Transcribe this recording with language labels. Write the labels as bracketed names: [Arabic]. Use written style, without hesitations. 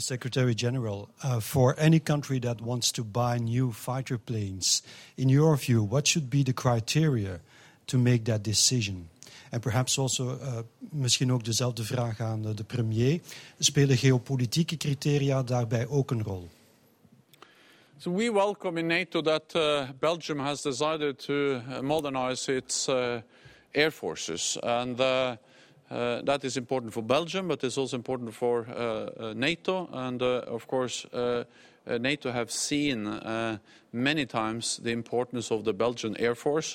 [English] Secretary General, for any country that wants to buy new fighter planes, in your view, what should be the criteria to make that decision? And perhaps also, [Dutch] misschien ook dezelfde vraag aan de premier, spelen geopolitieke criteria daarbij ook een rol? [English] So we welcome in NATO that Belgium has decided to modernize its air forces and that is important for Belgium, but it's also important for NATO. And, of course, NATO have seen many times the importance of the Belgian Air Force.